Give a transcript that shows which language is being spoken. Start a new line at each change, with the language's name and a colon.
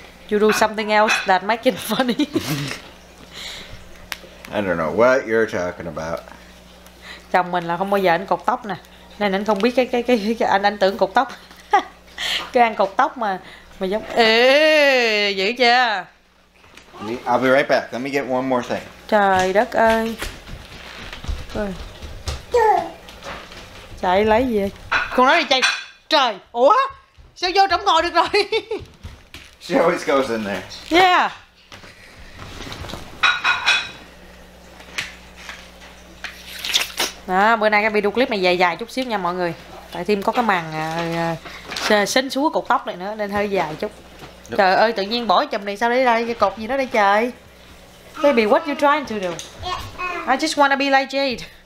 English: You do something else that makes it funny. I don't know what you're talking about.
Vietnamese: Chồng mình là không bao giờ anh cột tóc nè. Nên anh không biết cái anh tưởng cột tóc. Cái anh cột tóc mà giống... Ê, dữ chưa?
English: I'll be right back. Let me get one more thing.
Vietnamese: Trời đất ơi. Rồi. Chạy lấy gì vậy? Con nói đi chạy. Trời. Ủa? Sao vô trong ngồi được rồi?
English: She always goes in there. Yeah.
Vietnamese: Đó, bữa nay cái video clip này dài dài chút xíu nha mọi người. Tại thêm có cái màn xến xuống cột tóc này nữa nên hơi dài chút. Trời ơi, tự nhiên bỏ chùm này sao đây ra cái cột gì đó đây trời.
English: Baby, what you trying to do? I just wanna be like Jade.